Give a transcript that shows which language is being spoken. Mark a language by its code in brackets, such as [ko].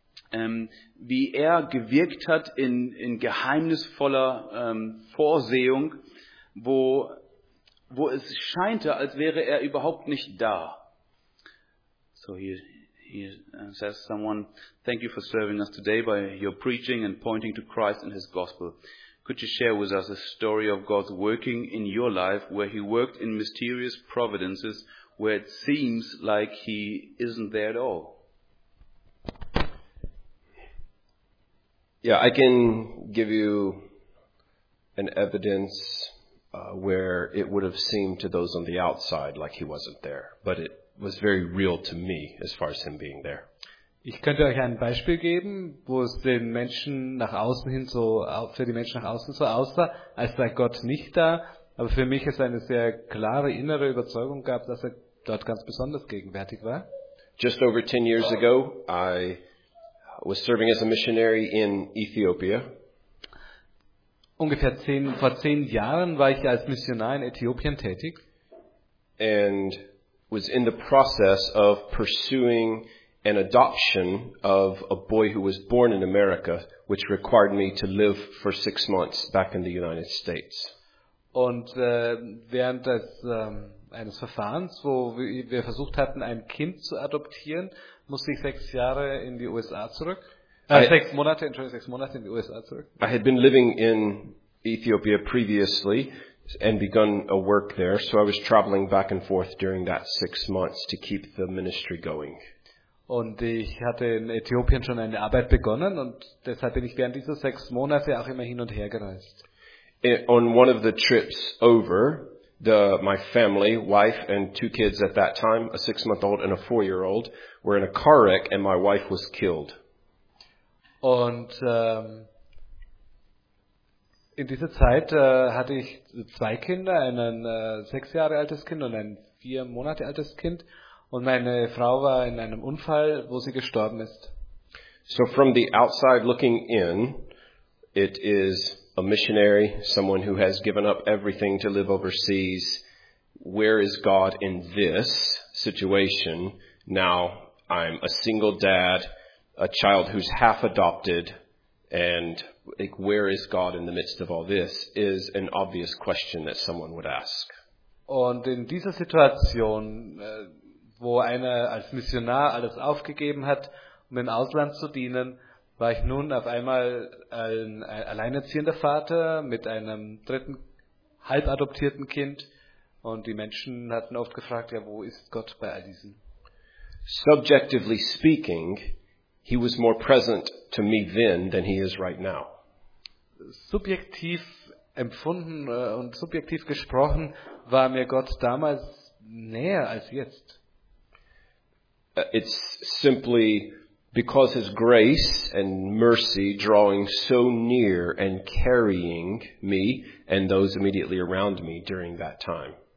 [de] Wie er gewirkt hat in geheimnisvoller Vorsehung, wo es scheinte, als wäre er überhaupt nicht da. [en] So he says someone, thank you for serving us today by your preaching and pointing to Christ and his gospel. Could you share with us a story of God's working in your life, where he worked in mysterious providences, where it seems like he isn't there at all? Yeah, I can give you an evidence where it would have seemed to those on the outside like he wasn't there, but it was very real to me as far as him being there. [de] Ich könnte euch ein Beispiel geben, wo es den Menschen nach außen hin so für die Menschen nach außen so aussah, als sei Gott nicht da, aber für mich es eine sehr klare innere Überzeugung gab, dass er dort ganz besonders gegenwärtig war. [en] Just over 10 years ago, I was serving as a missionary in Ethiopia. [de] Vor zehn Jahren war ich als Missionar in Äthiopien tätig. [en] And was in the process of pursuing an adoption of a boy who was born in America, which required me to live for 6 months back in the United States. [de] Und während eines Verfahrens, wo wir versucht hatten, ein Kind zu adoptieren, musste ich 6 Jahre in die USA zurück. Sechs Monate in die USA zurück. [en] I had been living in Ethiopia previously and begun a work there, so I was traveling back and forth during that 6 months to keep the ministry going. [de] Und ich hatte in Äthiopien schon eine Arbeit begonnen und deshalb bin ich während dieser 6 Monate auch immer hin und her gereist. [en] On one of the trips over, my family, wife and 2 kids at that time, a 6-month-old and a 4-year-old, were in a car wreck and my wife was killed. [de] Und in dieser Zeit hatte ich 2 Kinder, einen 6 Jahre altes Kind und ein 4 Monate altes Kind, und meine Frau war in einem Unfall, wo sie gestorben ist. [en] So from the outside looking in, it is a missionary, someone who has given up everything to live overseas. Where is God in this situation? Now I'm a single dad, a child who's half adopted, and like, where is God in the midst of all this is an obvious question that someone would ask. [de] Und in dieser Situation wo einer als Missionar alles aufgegeben hat, um im Ausland zu dienen, war ich nun auf einmal ein alleinerziehender Vater mit einem dritten halbadoptierten Kind. Und die Menschen hatten oft gefragt, ja, wo ist Gott bei all diesen? [en] Subjectively speaking, he was more present to me then than he is right now. [de] Subjektiv empfunden und subjektiv gesprochen, war mir Gott damals näher als jetzt. [en] It's simply because his grace and mercy drawing so near and carrying me and those immediately around me during that time.